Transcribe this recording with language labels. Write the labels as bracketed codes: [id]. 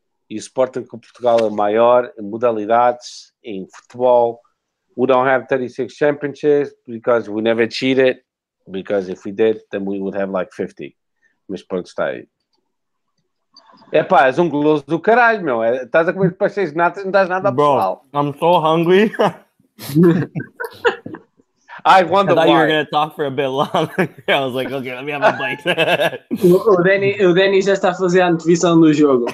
[pt] E o Sporting com Portugal é maior em modalidades, em futebol. [en] We don't have 36 championships because we never cheated. Because if we did, then we would have like 50. [pt] Mas pronto, está aí. Epá, és um goloso do caralho, meu. Estás a comer para 6 natas e não estás nada a pessoal. [en] Bro, I'm so hungry. I wonder why. I thought you were going to talk for a bit longer. I was like, okay, let me have a bite. [pt] O Danny já está a fazer a antevisão do jogo.